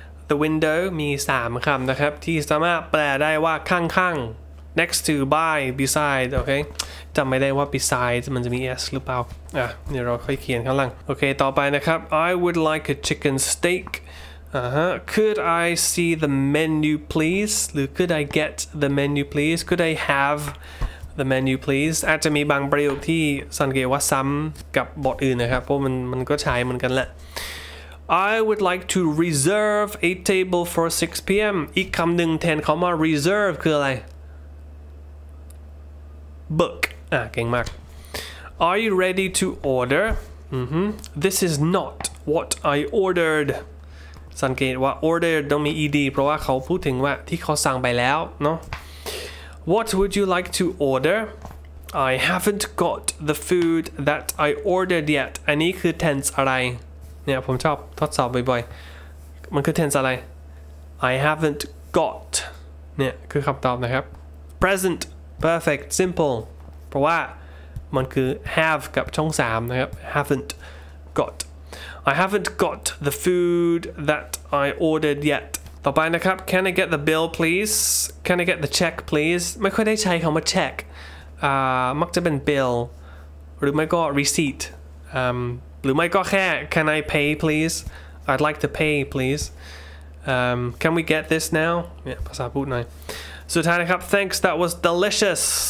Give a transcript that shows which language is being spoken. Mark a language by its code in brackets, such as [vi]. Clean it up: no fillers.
[th] the window มี3คำนะครับที่สามารถแปลได้ว่าข้างๆ next to by beside โอเคจำไม่ได้ว่า besides มันจะมี s หรือเปล่าอ่ะเดี๋ยวเราค่อยเขียนข้างล่างโอเคต่อไปนะครับ [en] I would like a chicken steakCould I see the menu, please? หรือ Could I get the menu, please? Could I have the menu, please? [th] อาจจะมีบางประโยคที่สังเกตว่าซ้ำกับบทอื่นนะครับเพราะมันก็ใช้เหมือนกันแหละ [en] I would like to reserve a table for 6 p.m. [th] อีกคำหนึ่งแทนคำว่า reserve คืออะไร Book เก่งมาก [en] Are you ready to order? This is not what I ordered [th] สังเกตว่า order ต้องมี ed เพราะว่าเขาพูดถึงว่าที่เขาสั่งไปแล้วเนาะ [en] What would you like to order? I haven't got the food that I ordered yet. [th] อันนี้คือ tense อะไรเนี่ยผมชอบทดสอบบ่อยๆมันคือ tense อะไร I haven't got เนี่ยคือคำตอบนะครับ present perfect simple เพราะว่ามันคือ have กับช่อง3นะครับ [en] haven't gotI haven't got the food that I ordered yet. [th] ต่อไปนะครับ [en] Can I get the bill, please? Can I get the check, please? [th] ไม่ค่อยได้ใช้คำว่า check. มักจะเป็น bill หรือไม่ก็ receipt. หรือไม่ก็แค่ [en] Can I pay, please? I'd like to pay, please. Can we get this now? [th] เนี่ยภาษาพูดหน่อยสุดท้ายนะครับ [en] Thanks, that was delicious.